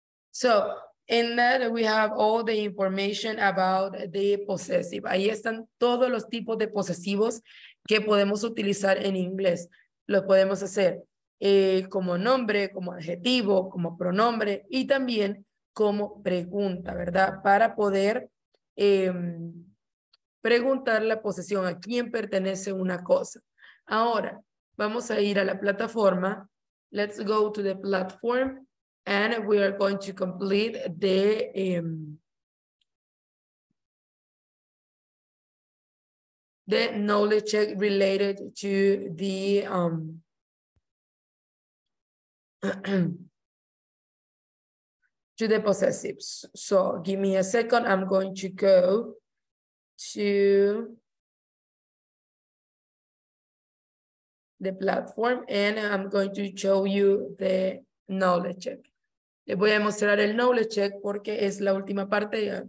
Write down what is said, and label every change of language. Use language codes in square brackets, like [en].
[en] So, in that we have all the information about the possessive. [es] Ahí están todos los tipos de posesivos que podemos utilizar en inglés. Lo podemos hacer como nombre, como adjetivo, como pronombre y también como pregunta, ¿verdad? Para poder preguntar la posesión, a quién pertenece una cosa. Ahora, vamos a ir a la plataforma. [en] Let's go to the platform. And we are going to complete the the knowledge check related to the to the possessives. So give me a second. I'm going to go to the platform and I'm going to show you the knowledge check. [es] Les voy a mostrar el knowledge check porque es la última parte.